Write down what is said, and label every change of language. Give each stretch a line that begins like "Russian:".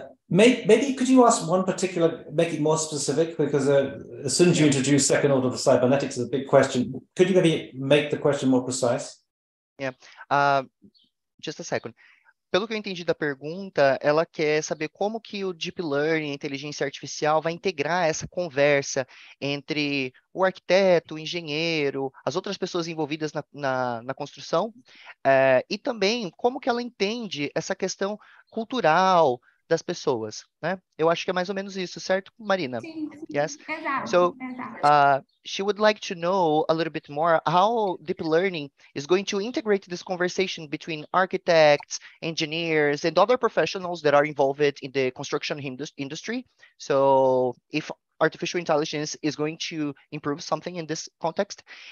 English: Maybe could you ask one particular, make it more specific, because as soon as you introduce second order of cybernetics, it's a big question. Could you maybe make the question more precise? Yeah, just a second.
Portuguese: Pelo que eu entendi da pergunta, ela quer saber como que o deep learning, a inteligência artificial, vai integrar essa conversa entre o arquiteto, o engenheiro, as outras pessoas envolvidas na construção, e também como que ela entende essa questão cultural das pessoas, né? Eu acho que é mais ou menos isso, certo, Marina?
English: Yes. So, she would like to know a little bit more how deep learning is going to integrate this conversation between architects, engineers, and other professionals that are involved in the construction industry. So, if artificial intelligence is going to improve something in this context.